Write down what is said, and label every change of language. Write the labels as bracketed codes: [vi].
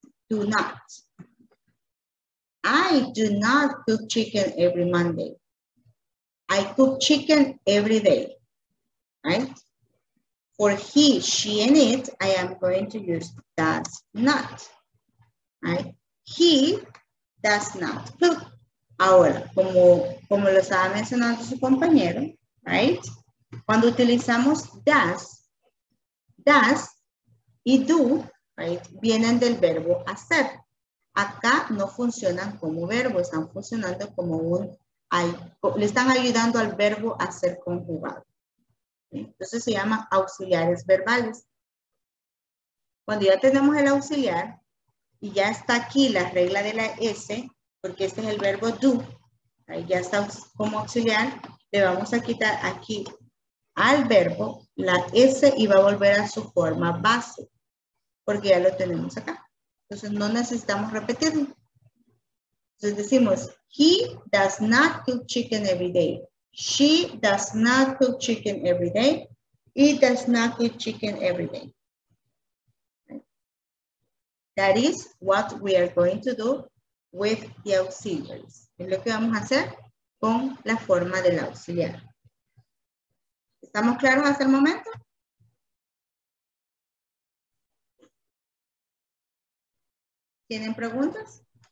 [en] Do not. I do not cook chicken every Monday. I cook chicken every day. Right? For he, she, and it, I am going to use does not. Right. He does not cook. [es] Ahora, como lo estaba mencionando su compañero, right? Cuando utilizamos does y do, right? Vienen del verbo hacer. Acá no funcionan como verbo, están funcionando como un, le están ayudando al verbo a ser conjugado. Entonces se llama auxiliares verbales. Cuando ya tenemos el auxiliar, y ya está aquí la regla de la S, porque este es el verbo do. Ahí ya está como auxiliar. Le vamos a quitar aquí al verbo la S y va a volver a su forma base. Porque ya lo tenemos acá. Entonces no necesitamos repetirlo. Entonces decimos, [en] he does not cook chicken every day. She does not cook chicken every day. He does not cook chicken every day. That is what we are going to do with the auxiliaries. [es] Es lo que vamos a hacer con la forma del auxiliar. ¿Estamos claros hasta el momento? ¿Tienen preguntas?